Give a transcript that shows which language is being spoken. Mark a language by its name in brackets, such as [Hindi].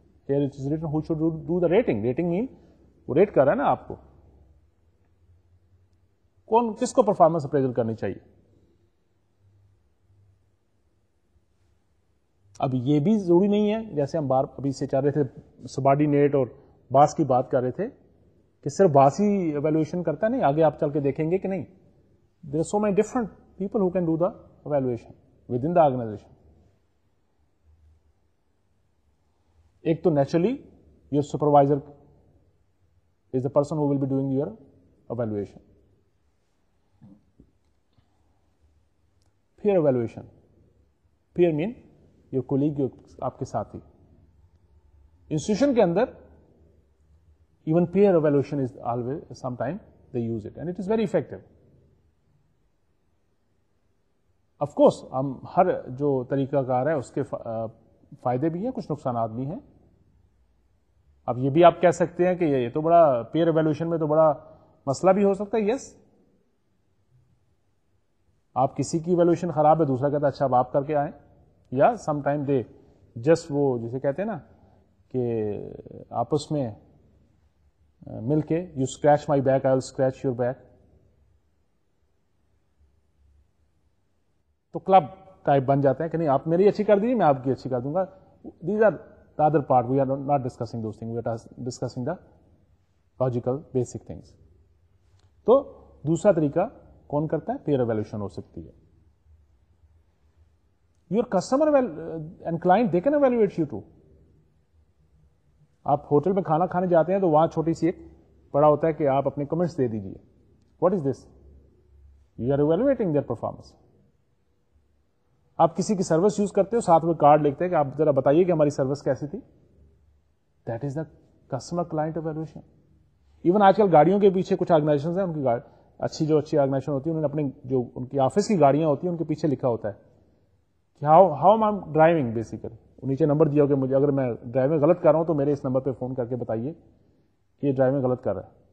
[English] Here it is written who should do the rating. Rating mean [Urdu] rate کر رہا ہے نا آپ کو, کون کس کو پرفارمنس اپریزل کرنی چاہیے. اب یہ بھی ضروری نہیں ہے جیسے ہم بار ابھی سے چاہ رہے تھے سبارڈینیٹ اور باس کی بات کر رہے تھے کہ صرف باس ہی ایویلویشن کرتا ہے, نہیں آگے آپ چل کے دیکھیں گے کہ نہیں, [English] There are so many different people who can do the evaluation with in the organization. ایک تو naturally your supervisor is the person who will be doing your evaluation. Pair evaluation, pair main your colleague, آپ کے ساتھی. Institution کے اندر even pair evaluation is always some time they use it and it is very effective. [Urdu] Of course ہم ہر جو طریقہ کار ہے اس کے فائدے بھی ہیں, کچھ نقصانات بھی ہیں. اب یہ بھی آپ کہہ سکتے ہیں کہ یہ تو بڑا پیئر ایویلویشن میں تو بڑا مسئلہ بھی ہو سکتا ہے. یس, آپ کسی کی ایویلویشن خراب ہے, دوسرا کہتا ہے اچھا آپ کر کے آئیں, یا [English] some time they just [Urdu] وہ جسے کہتے ہیں نا کہ آپس میں مل کے [English] You scratch my back I will scratch your back. [Urdu] تو کلب ٹائپ بن جاتا ہے کہ نہیں آپ میری اچھی کر دیجیے میں آپ کی اچھی کر دوں گا. [English] These are the other part, we are not discussing those thing, we are discussing the logical basic things. [Urdu] تو دوسرا طریقہ کون کرتا ہے, پیئر ایویلیوشن ہو سکتی ہے. [English] Your customer and client they can evaluate you too. [Urdu] آپ ہوٹل میں کھانا کھانے جاتے ہیں تو وہاں چھوٹی سی ایک پڑا ہوتا ہے کہ آپ اپنے کمنٹس دے دیجیے. [English] What is this, you are evaluating their performance. [Urdu] آپ کسی کی سروس یوز کرتے ہو, ساتھ میں کارڈ لکھتے ہیں کہ آپ ذرا بتائیے کہ ہماری سروس کیسی تھی. [English] That is the customer client evaluation. [Urdu] Even آج کل گاڑیوں کے پیچھے کچھ آرگنائزیشن ہیں, ان کی اچھی جو اچھی آرگنائزیشن ہوتی ہے انہوں نے اپنے جو ان کی آفس کی گاڑیاں ہوتی ہیں ان کے پیچھے لکھا ہوتا ہے کہ [English] How am I driving. [Urdu] Basically نیچے نمبر دیا ہو کہ مجھے اگر میں ڈرائیونگ غلط کر رہا ہوں تو میرے اس نمبر پہ فون کر کے بتائیے کہ یہ ڈرائیونگ غلط کر رہا ہے.